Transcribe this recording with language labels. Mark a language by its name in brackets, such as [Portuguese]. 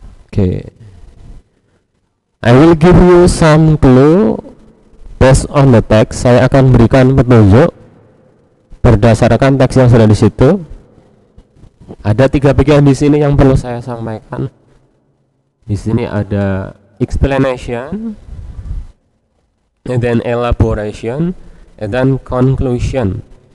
[English] Oke, I will give you some clue based on the text. [Indonesian] Saya akan berikan petunjuk berdasarkan teks yang sudah di situ. Ada tiga bagian di sini yang perlu saya sampaikan. Di sini ada [English] explanation, and then elaboration, and then conclusion.